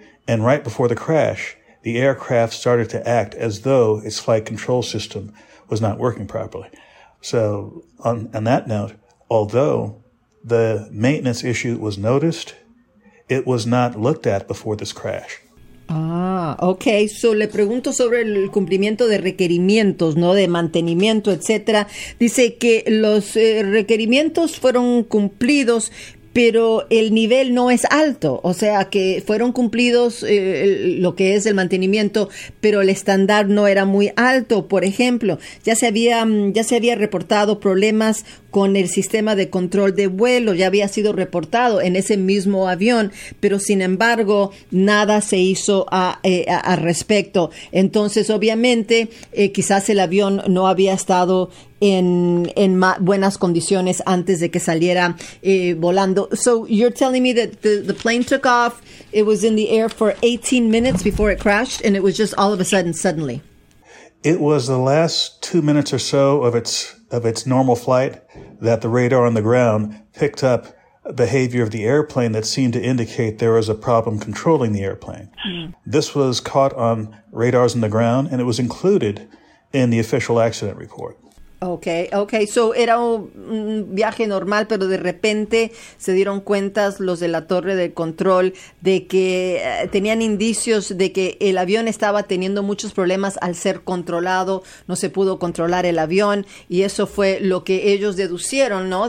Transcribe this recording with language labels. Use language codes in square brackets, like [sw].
[en] And right before the crash, the aircraft started to act as though its flight control system was not working properly. So on that note, although the maintenance issue was noticed, it was not looked at before this crash. Okay, so [es] le pregunto sobre el cumplimiento de requerimientos, ¿no? De mantenimiento, etcétera. Dice que los requerimientos fueron cumplidos, pero el nivel no es alto. O sea, que fueron cumplidos lo que es el mantenimiento, pero el estándar no era muy alto. Por ejemplo, ya se había reportado problemas con el sistema de control de vuelo, ya había sido reportado en ese mismo avión, pero sin embargo, nada se hizo al respecto. Entonces, obviamente, quizás el avión no había estado en buenas condiciones antes de que saliera volando. [en] So you're telling me that the plane took off, it was in the air for 18 minutes before it crashed, and it was just all of a sudden, suddenly? It was the last 2 minutes or so of its normal flight that the radar on the ground picked up behavior of the airplane that seemed to indicate there was a problem controlling the airplane. This was caught on radars on the ground, and it was included in the official accident report. Okay. [es] So era un viaje normal, pero de repente se dieron cuenta los de la torre de control de que tenían indicios de que el avión estaba teniendo muchos problemas al ser controlado. No se pudo controlar el avión y eso fue lo que ellos deducieron, ¿no?